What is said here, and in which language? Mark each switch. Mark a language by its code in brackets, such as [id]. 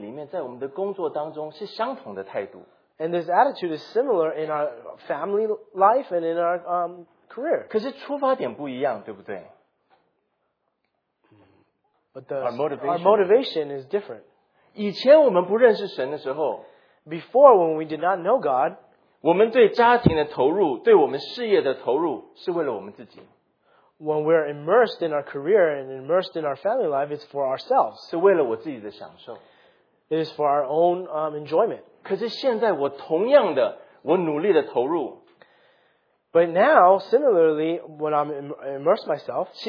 [zh] 我们的态度在我们的家庭里面，在我们的工作当中是相同的态度。 [en] And this attitude is similar in our family life and in our career. [zh] 可是出发点不一样，对不对？ [en] But our motivation is different. [zh] 以前我们不认识神的时候, [en] Before when we did not know God, [zh] 我们对家庭的投入，对我们事业的投入，是为了我们自己。 [en] When we're immersed in our career and immersed in our family life, it's for ourselves. [zh] 是为了我自己的享受。 [en] It is for our own enjoyment. [zh] 可是现在我同样的，我努力的投入。 [en] But now, similarly, when I'm immersed myself,